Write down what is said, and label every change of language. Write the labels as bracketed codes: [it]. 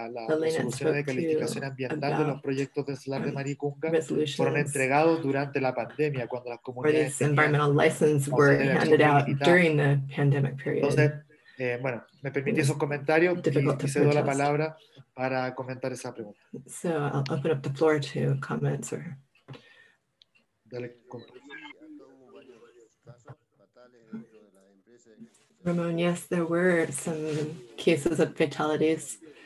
[es] También Elena nos hablaba de que las de los proyectos de salar de Maricunga fueron entregados durante la pandemia cuando las comunidades [en] environmental license were handed out during the pandemic period. [es] Entonces, bueno, me permite esos comentarios y cedo la palabra para comentar esa pregunta. [en] So I'll open up the floor to comments or. Ramón, yes, there were some cases of fatalities.